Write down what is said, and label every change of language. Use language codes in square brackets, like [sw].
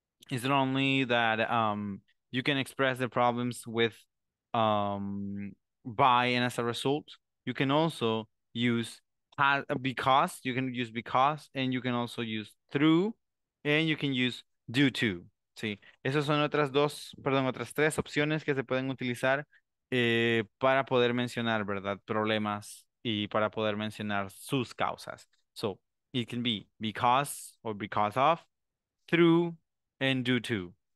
[en] It's not only that you can express the problems with by and as a result. You can also use because, you can use because, and you can also use through, and you can use due to. [es] Sí, esas son otras dos, perdón, otras tres opciones que se pueden utilizar para poder mencionar, ¿verdad? Problemas y para poder mencionar sus causas. [en] So, it can be because or because of, through and due to.